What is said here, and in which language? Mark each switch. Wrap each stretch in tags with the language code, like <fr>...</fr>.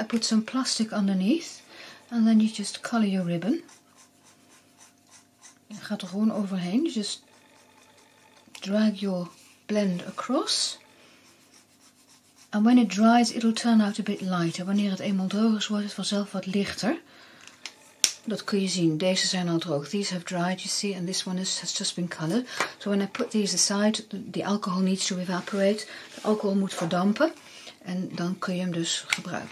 <en>I put some plastic underneath. And then you just color your ribbon.</en> <nl>Je gaat er gewoon overheen.</nl> <en>You just drag your blend across. And when it dries, it'll turn out a bit lighter.</en> <nl>Wanneer het eenmaal droog is, wordt het vanzelf wat lichter. Dat kun je zien. Deze zijn al droog.</nl> <en>These have dried, you see, and this one has just been colored. So when I put these aside, the alcohol needs to evaporate.</en> <nl>De alcohol moet verdampen. En dan kun je hem dus gebruiken.</nl>